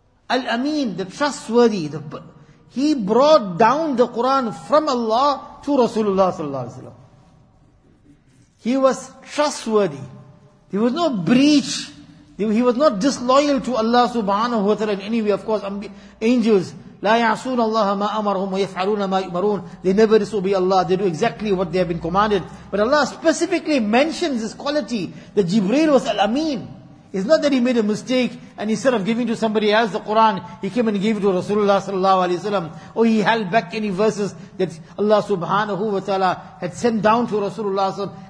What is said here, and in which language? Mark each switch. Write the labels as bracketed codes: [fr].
[en] Al-Amin, the trustworthy. He brought down the Quran from Allah to Rasulullah sallallahu alayhi wa sallam. He was trustworthy. There was no breach. He was not disloyal to Allah subhanahu wa ta'ala in any way. Of course, angels, [ar] لا يعصون الله ما أمرهم ويفعلون ما يؤمرون. [en] They never disobey Allah. They do exactly what they have been commanded. But Allah specifically mentions this quality that Jibreel was al-Amin. It's not that he made a mistake and instead of giving to somebody else the Quran, he came and gave it to Rasulullah sallallahu alayhi wa sallam. Or he held back any verses that Allah subhanahu wa ta'ala had sent down to Rasulullah sallallahu alayhi wa sallam.